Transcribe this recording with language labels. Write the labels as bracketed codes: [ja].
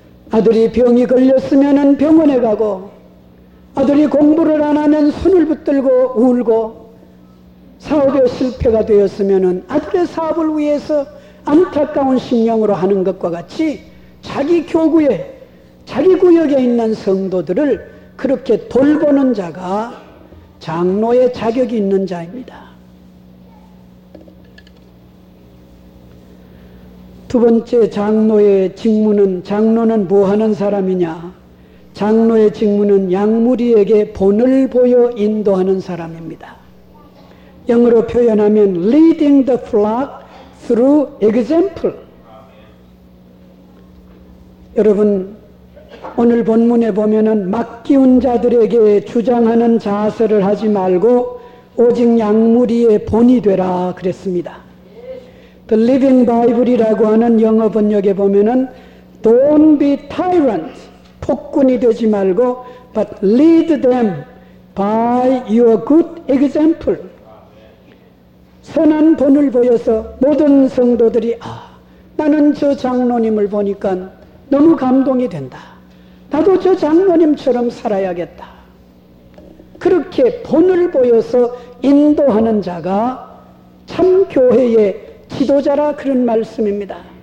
[ko] 아들이 병이 걸렸으면 병원에 가고, 아들이 공부를 안 하면 손을 붙들고 울고, 사업에 실패가 되었으면 아들의 사업을 위해서 안타까운 심령으로 하는 것과 같이 자기 교구에, 자기 구역에 있는 성도들을 그렇게 돌보는 자가 장로의 자격이 있는 자입니다. 두 번째 장로의 직무는, 장로는 뭐 하는 사람이냐? 장로의 직무는 양무리에게 본을 보여 인도하는 사람입니다. 영어로 표현하면 [en] leading the flock through example. [ko] 여러분, 오늘 본문에 보면은 맡기운 자들에게 주장하는 자세를 하지 말고 오직 양무리의 본이 되라 그랬습니다. [en] The Living Bible이라고 [ko] 하는 영어 번역에 보면은 [en] Don't be tyrant, [ko] 폭군이 되지 말고 [en] But lead them by your good example. [ko] 선한 본을 보여서 모든 성도들이 아, 나는 저 장로님을 보니까 너무 감동이 된다. 나도 저 장로님처럼 살아야겠다. 그렇게 본을 보여서 인도하는 자가 참 교회의 지도자라 그런 말씀입니다.